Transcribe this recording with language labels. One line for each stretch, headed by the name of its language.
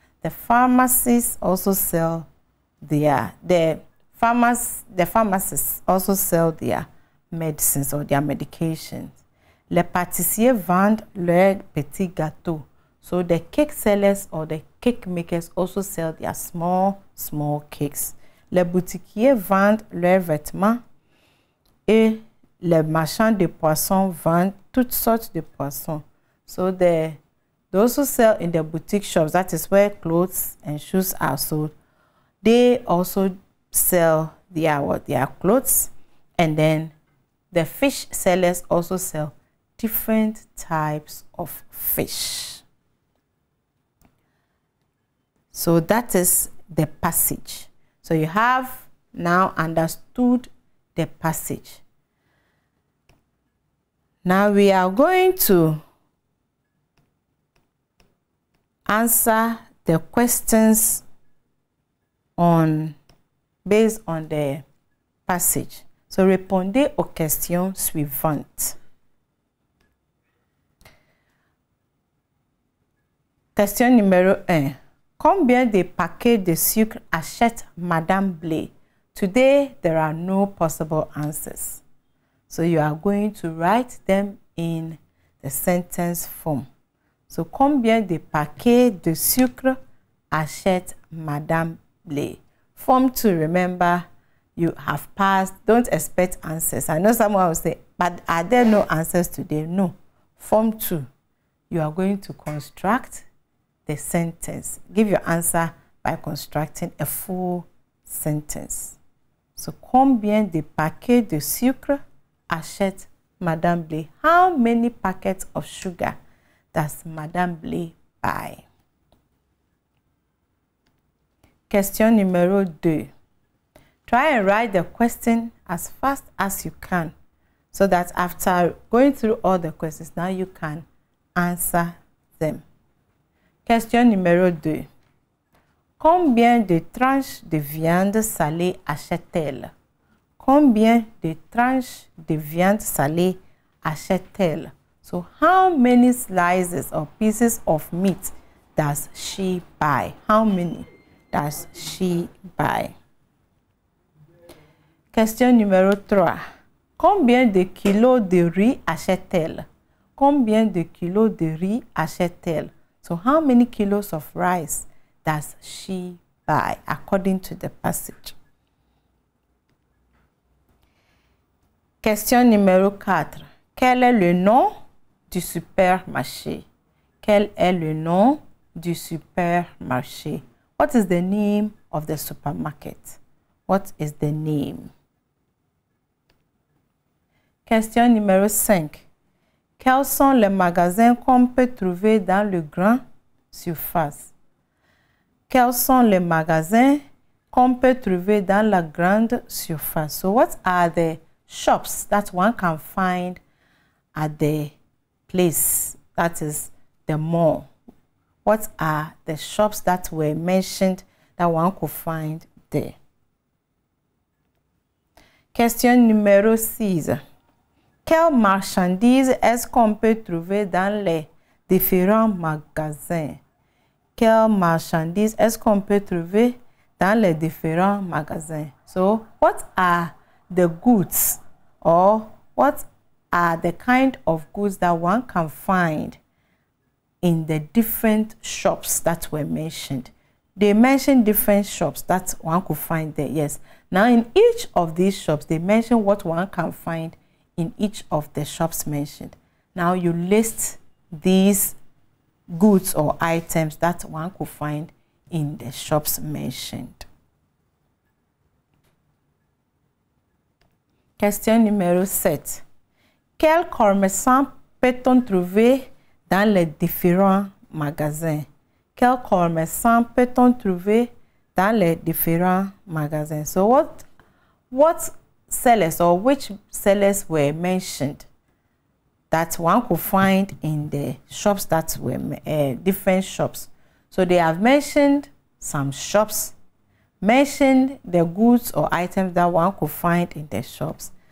English: The pharmacists also sell the pharmacists also sell their medicines or their medications.
French: Les pâtissiers vendent leurs petits gâteaux.
English: So the cake sellers or the cake makers also sell their small cakes.
French: Les boutiquiers vendent leurs vêtements et les marchands de poissons vendent toutes sortes de poissons.
English: So those who sell in the boutique shops, that is where clothes and shoes are sold, they also sell their clothes. And then the fish sellers also sell different types of fish. So that is the passage. So you have now understood the passage. Now we are going to answer the questions on based on the passage.
French: So répondez aux questions suivantes. Question numéro 1. Combien de paquets de sucre achète Madame Blay?
English: Today, there are no possible answers. So you are going to write them in the sentence form.
French: So combien de paquets de sucre achète Madame Blay?
English: Form 2, remember, you have passed. Don't expect answers. I know someone will say, but are there no answers today? No. Form 2, you are going to construct the sentence. Give your answer by constructing a full sentence.
French: So combien de paquets de sucre achète Madame Blay?
English: How many packets of sugar does Madame Blay buy?
French: Question numéro 2.
English: Try and write the question as fast as you can so that after going through all the questions, now you can answer them.
French: Question numéro 2. Combien de tranches de viande salée achète-t-elle? Combien de tranches de viande salée achète-t-elle?
English: So how many slices or pieces of meat does she buy? How many does she buy?
French: Question numéro 3. Combien de kilos de riz achète-t-elle? Combien de kilos de riz achète-t-elle?
English: So how many kilos of rice does she buy according to the passage?
French: Question numéro 4. Quel est le nom du supermarché? Quel est le nom du supermarché?
English: What is the name of the supermarket? What is the name?
French: Question numéro 5. Quels sont les magasins qu'on peut trouver dans le grand surface? Quels sont les magasins qu'on peut trouver dans la grande surface?
English: So what are the shops that one can find at the place, that is the mall? What are the shops that were mentioned that one could find there?
French: Question numéro 6. Quelle marchandise est-ce qu'on peut trouver dans les différents magasins? Quelle marchandise est-ce qu'on peut trouver dans les différents magasins?
English: So, what are the goods or what are the kind of goods that one can find in the different shops that were mentioned? They mentioned different shops that one could find there, yes. Now, in each of these shops, they mention what one can find in each of the shops mentioned. Now, you list these goods or items that one could find in the shops mentioned.
French: Question numéro 7. Quel commerçant peut-on trouver dans les différents magasins? Quel commerçant peut-on trouver dans les différents magasins?
English: So what sellers or which sellers were mentioned that one could find in the shops that were different shops? So they have mentioned some shops, mentioned the goods or items that one could find in the shops.